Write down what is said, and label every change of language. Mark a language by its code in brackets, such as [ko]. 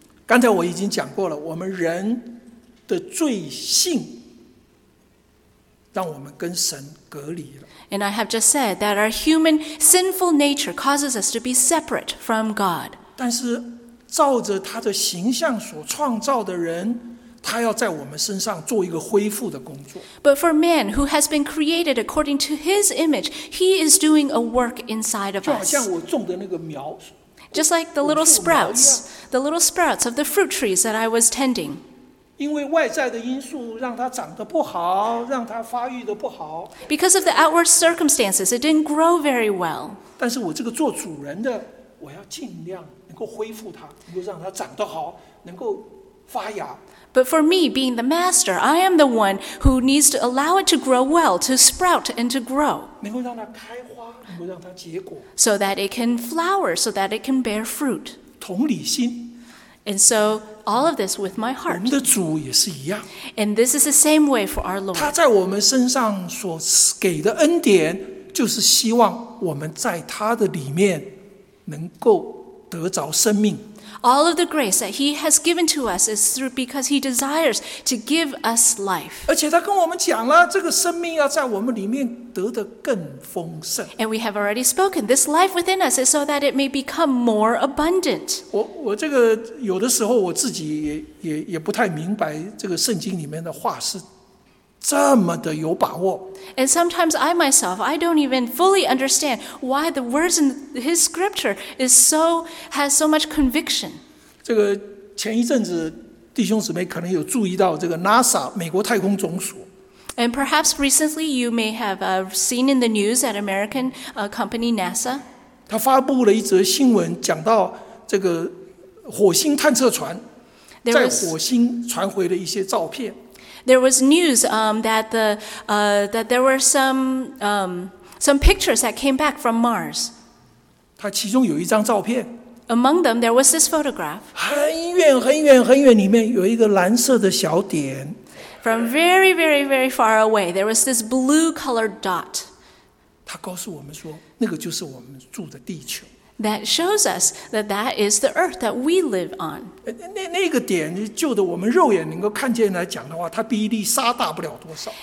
[zh] 刚才我已经讲过了，我们人的罪性让我们跟神隔离了。 [en] And I have just said that our human sinful nature causes us to be separate from God. [zh] 但是照着他的形象所创造的人，他要在我们身上做一个恢复的工作。 [en] But for man who has been created according to his image, he is doing a work inside of us. [zh] 就好像我种的那个苗。 [en] Just like the little sprouts of the fruit trees that I was tending. [zh] 因为外在的因素让它长得不好，让它发育得不好。 [en] Because of the outward circumstances, it didn't grow very well. [zh] 但是我这个做主人的，我要尽量能够恢复它，能够让它长得好，能够发芽。 [en] But for me, being the master, I am the one who needs to allow it to grow well, to sprout and to grow. [zh] 能够让它开花，能够让它结果。 [en] So that it can flower, so that it can bear fruit. [zh] 同理心。 [en] And so, all of this with my heart. [zh] 我们的主也是一样。 [en] And this is the same way for our Lord. [zh] 他在我们身上所给的恩典，就是希望我们在他的里面能够得着生命。 [en] All of the grace that he has given to us is through because he desires to give us life. [zh] 而且他跟我们讲了，这个生命要在我们里面得得更丰盛。 [en] And we have already spoken, this life within us is so that it may become more abundant. [zh] 我这个有的时候我自己也不太明白这个圣经里面的话是这么的有把握。 [en] And sometimes I myself, I don't even fully understand why the words in his scripture has so much conviction. [zh] 这个前一阵子弟兄姊妹可能有注意到这个 NASA 美国太空总署。 [en] And perhaps recently you may have seen in the news that American company NASA. [zh] 他发布了一则新闻讲到这个火星探测船在火星传回的一些照片。 [en] There was news that there were some pictures that came back from Mars. [zh] 它其中有一张照片。 [en] Among them, there was this photograph. [zh] 很远很远很远里面有一个蓝色的小点。 [en] From very, very, very far away, there was this blue-colored dot. [zh] 它告诉我们说，那个就是我们住的地球。 [en] That shows us that that is the earth that we live on. [zh] 那个点就的我们肉眼能够看见来讲的话，它比粒沙大不了多少。